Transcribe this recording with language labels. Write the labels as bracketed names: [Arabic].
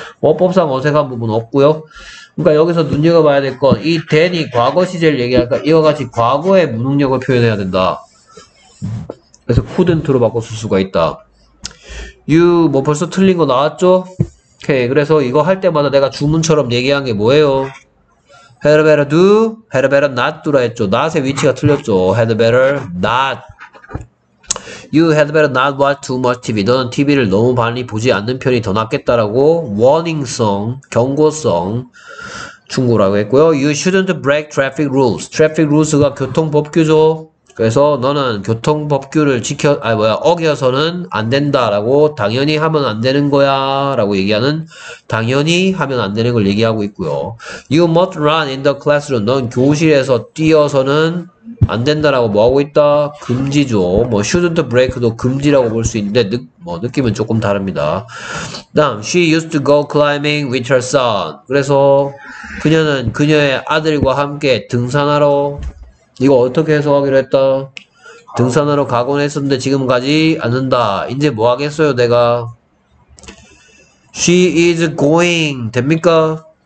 [Korean] 어법상 어색한 부분 없고요. 그러니까 여기서 눈여겨봐야 될 건 이 then이 과거 시제를 얘기할까 이와 같이 과거의 무능력을 표현해야 된다. 그래서 couldn't로 바꿔 쓸 수가 있다. you 뭐 벌써 틀린 거 나왔죠? 오케이. 그래서 이거 할 때마다 내가 주문처럼 얘기한 게 뭐예요? [English] had better do, had better not do라 했죠. [Korean] not의 위치가 틀렸죠. [English] had better not. You had better not watch too much TV. [Korean] 너는 TV를 너무 많이 보지 않는 편이 더 낫겠다라고 warning song, 경고성 충고라고 했고요. [English] You shouldn't break traffic rules. traffic rules가 교통법규죠. [Korean] 그래서 너는 교통법규를 지켜, 아니 뭐야, 어겨서는 안 된다라고 당연히 하면 안 되는 거야 라고 얘기하는 당연히 하면 안 되는 걸 얘기하고 있고요. [English] You must run in the classroom. [Korean] 넌 교실에서 뛰어서는 안 된다라고 뭐 하고 있다? 금지죠. 뭐 shouldn't break도 금지라고 볼 수 있는데 뭐 느낌은 조금 다릅니다. [English] 다음, she used to go climbing with her son. [Korean] 그래서 그녀는 그녀의 아들과 함께 등산하러, 이거 어떻게 해석하기로 했다? 등산하러 가곤 했었는데 지금 가지 않는다. 이제 뭐 하겠어요 내가? [English] She is going [Korean] 됩니까?